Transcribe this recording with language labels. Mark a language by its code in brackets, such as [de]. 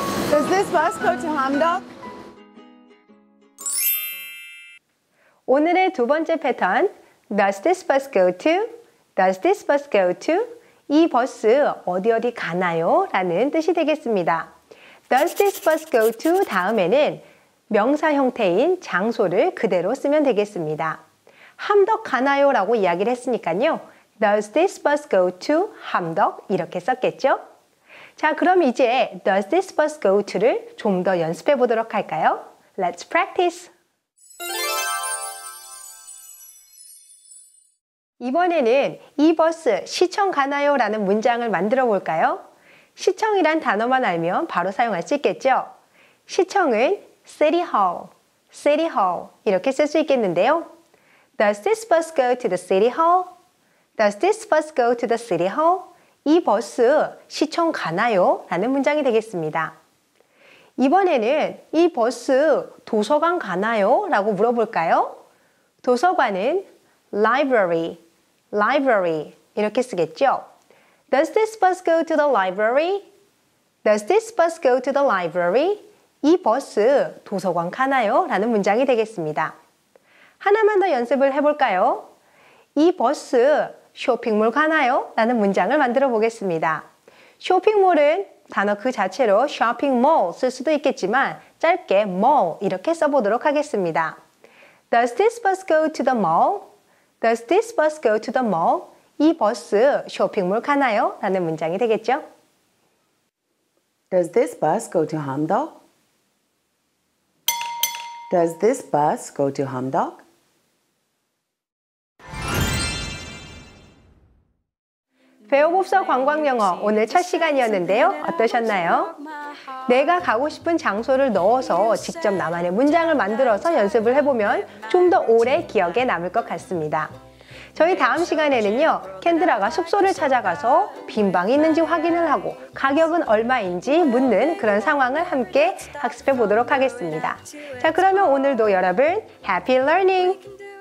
[en] Does this bus go to Hamdok? [ko] 오늘의 두 번째 패턴, [en] Does this bus go to? Does this bus go to? [ko] 이 버스 어디 어디 가나요? 라는 뜻이 되겠습니다. [en] Does this bus go to? [ko] 다음에는 명사 형태인 장소를 그대로 쓰면 되겠습니다. 함덕 가나요? 라고 이야기를 했으니까요. [en] Does this bus go to 함덕? [ko] 이렇게 썼겠죠? 자, 그럼 이제 [en] Does this bus go to [ko] 를 좀 더 연습해 보도록 할까요? [en] Let's practice! [ko] 이번에는 이 버스 시청 가나요? 라는 문장을 만들어 볼까요? 시청이란 단어만 알면 바로 사용할 수 있겠죠? 시청은 City Hall, City Hall 이렇게 쓸 수 있겠는데요. [en] Does this bus go to the City Hall? Does this bus go to the City Hall? [ko] 이 버스 시청 가나요? 라는 문장이 되겠습니다. 이번에는 이 버스 도서관 가나요? 라고 물어볼까요? 도서관은 Library, Library 이렇게 쓰겠죠? [en] Does this bus go to the library? Does this bus go to the library? [ko] 이 버스 도서관 가나요? 라는 문장이 되겠습니다. 하나만 더 연습을 해볼까요? 이 버스 쇼핑몰 가나요? 라는 문장을 만들어 보겠습니다. 쇼핑몰은 단어 그 자체로 쇼핑몰 쓸 수도 있겠지만 짧게 mall 이렇게 써보도록 하겠습니다. [en] Does this bus go to the mall? Does this bus go to the mall? [ko] 이 버스 쇼핑몰 가나요? 라는 문장이 되겠죠. [en] Does this bus go to Hamdok? Does this bus go to Hamdok? [ko] 배워봅서 관광영어 오늘 첫 시간이었는데요. 어떠셨나요? 내가 가고 싶은 장소를 넣어서 직접 나만의 문장을 만들어서 연습을 해보면 좀 더 오래 기억에 남을 것 같습니다. 저희 다음 시간에는요, 켄드라가 숙소를 찾아가서 빈 방이 있는지 확인을 하고 가격은 얼마인지 묻는 그런 상황을 함께 학습해 보도록 하겠습니다. 자, 그러면 오늘도 여러분 [en] Happy Learning!